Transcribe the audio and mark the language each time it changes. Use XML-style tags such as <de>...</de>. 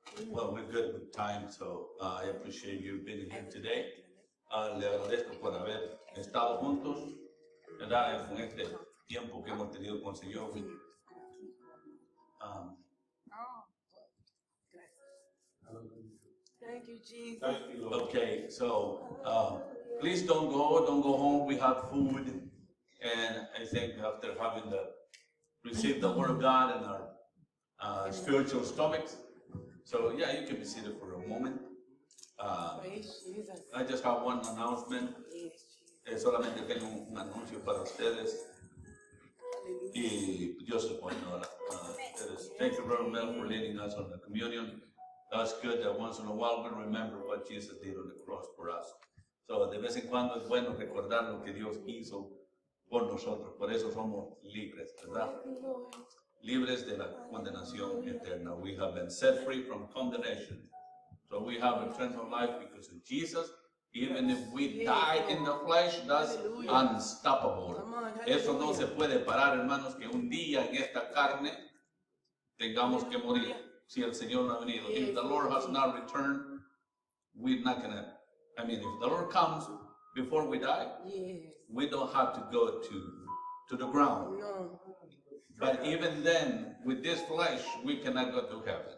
<en>Well, we're good with time, so I appreciate you being here today.</en> <es>Le agradezco por haber estado juntos, ¿verdad? En este tiempo que hemos tenido con el Señor.</es> <en>Thank you, Jesus. Thank you, Lord. Okay, so please don't go home. We have food, and I think after having received the word of God in our spiritual stomachs, so yeah, you can be seated for a moment. Praise Jesus. I just have one announcement.</en> <es>Solamente tengo un anuncio para ustedes. Y Dios es bueno.</es> <en>Thank you, Reverend Mel, for leading us on the communion. That's good that once in a while we remember what Jesus did on the cross for us.</en> <es>So de vez en cuando es bueno recordar lo que Dios hizo por nosotros. Por eso somos libres, ¿verdad? Libres de la condenación eterna.</es> <en>We have been set free from condemnation. So we have eternal life because of Jesus. Even if we die in the flesh, that's unstoppable.</en> <es>Eso no se puede parar, hermanos, que un día en esta carne tengamos que morir. Si el Señor no ha venido.</es> <en>If the Lord has not returned, we're not going to. I mean, if the Lord comes before we die, we don't have to go to the ground. No. But even then, with this flesh, we cannot go to heaven.</en>